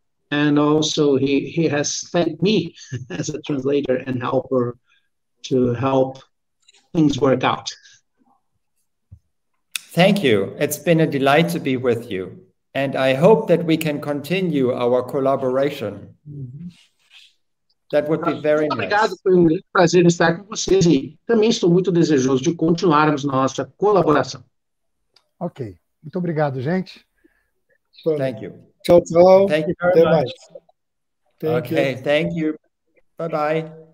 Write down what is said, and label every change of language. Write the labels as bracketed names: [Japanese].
[English] And also he has thanked me as a translator and helper to help things work out. Thank you. It's been a delight to be with you. And I hope that we can continue our collaboration. Mm-hmm. That would be very nice. [Portuguese] Obrigado, foi prazer estar com vocês. E também estou muito desejoso de continuarmos nossa colaboração. Ok. Muito obrigado, gente. [English] Thank you. [Portuguese] Tchau, tchau. [English] Thank you very much. Thank you. Bye-bye.